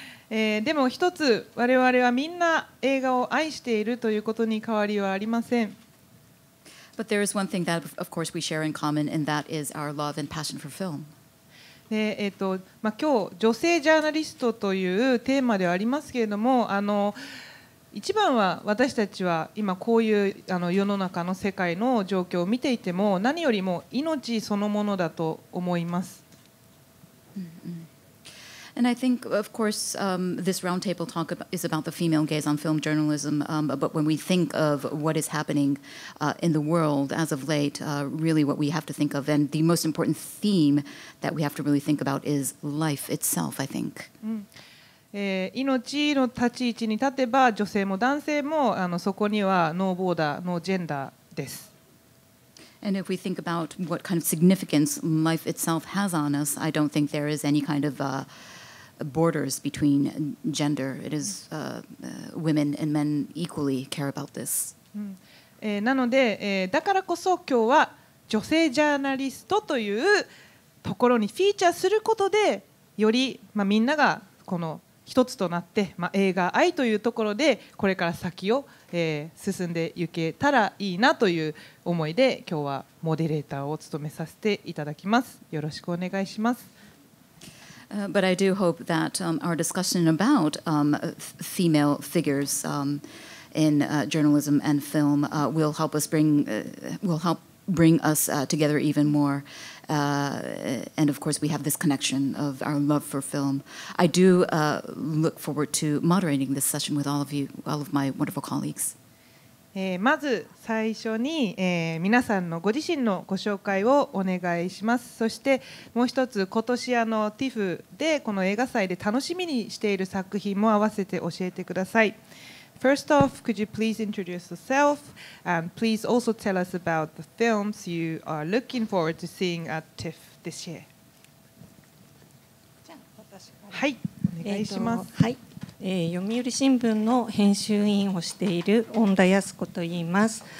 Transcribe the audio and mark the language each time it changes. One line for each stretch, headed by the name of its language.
Japanese: でも一つ、我々はみんな映画を愛しているということに変わりはありません。
English: But there is one thing that, of course, we share in common, and that is our love and passion for film.
Japanese: 今日、女性ジャーナリストというテーマではありますけれども、一番は私たちは今こういう世の中の世界の状況を見ていても、何よりも命そのものだと思います。
English: And I think, of course, this roundtable talk is about the female gaze on film journalism. But when we think of what is happening in the world as of late, really what we have to think of, and the most important theme that we have to really think about is life itself, I think.
Japanese: 命の立ち位置に立てば女性も男性もそこにはノーボーダー、ノージェンダーです。
English: And if we think about what kind of significance life itself has on us, I don't think there is any kind of borders between gender. It is women and men equally care about this.
Japanese: なので、だからこそ今日は女性ジャーナリストというところにフィーチャーすることで、より、みんながこの一つとなって、映画愛というところでこれから先を進んでいけたらいいなという思いで今日はモデレーターを務めさせていただきます。よろしくお願いします。
English: But I do hope that our discussion about female figures in journalism and film will help us bring us together even more. And of course, we have this connection of our love for film. I do look forward to moderating this session with all of you, all of my wonderful colleagues.
Japanese: まず最初に、皆さんのご自身のご紹介をお願いします。そしてもう一つ、今年TIFFでこの映画祭で楽しみにしている作品も合わせて教えてください。
English: First off, could you please introduce yourself and please also tell us about the films you are looking forward to seeing at TIFF this year?
Japanese: はい、お願いします。はい、読売新聞の編集委員をしている恩田康子と言います。